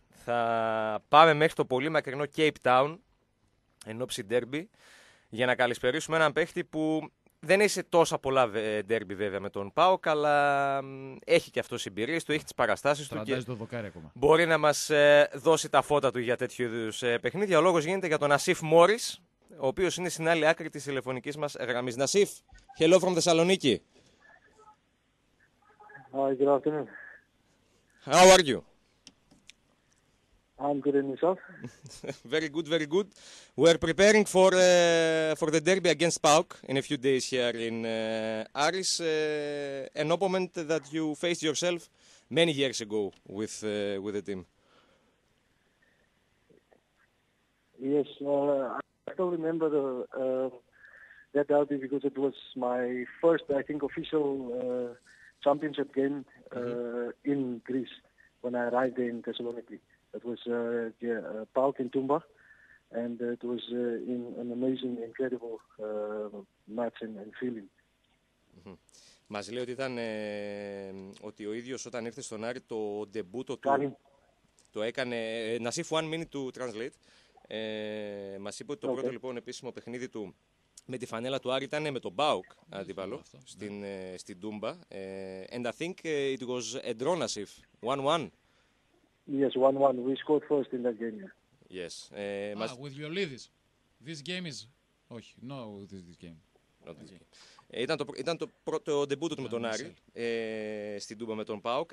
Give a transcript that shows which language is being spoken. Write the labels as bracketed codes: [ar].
[el] Θα πάμε μέχρι το πολύ μακρινό Cape Town, εν ώψη ντέρμπι, για να καλησπερίσουμε έναν παίχτη που δεν έχει σε τόσα πολλά ντέρμπι βέβαια με τον ΠΑΟΚ, αλλά έχει και αυτό συμπειρίες του, έχει τις παραστάσεις του και το δοκάρι ακόμα. Μπορεί να μας δώσει τα φώτα του για τέτοιου είδους παιχνίδια. Ο λόγος γίνεται για τον Ασίφ Μόρις, ο οποίος είναι στην άλλη άκρη της τηλεφωνικής μας γραμμής. [en] Ασίφ, hello from Thessaloniki. Hi, good afternoon. How are you? I'm good and yourself? Very good, very good. We're preparing for for the derby against PAOK in a few days here in Aris, an opponent that you faced yourself many years ago with the team. Yes, I don't remember the that derby because it was my first, I think, official championship game in Greece when I arrived in Thessaloniki. It was PAOK in Tumba, And it was an amazing, incredible match and feeling. [el] Μας λέει ότι ήταν ότι ο ίδιος όταν ήρθε στον Άρη το ντεμπούτο του το έκανε. Nassif [en] One Minute to Translate. [el] Μας είπε ότι το πρώτο λοιπόν επίσημο παιχνίδι του με τη φανέλα του Άρη ήταν με τον Μπάουκ αντίπαλο στην, στην Τούμπα. [en] And I think it was a draw, Nassif. 1-1. Yes, 1-1. We scored first in that game. Yes. With Violidis. This game is... [el] Όχι, [en] no, this game. Not this game. [el] Ήταν το πρώτο ντεμπούτο του με τον Άρη στην Τούμπα με τον ΠΑΟΚ.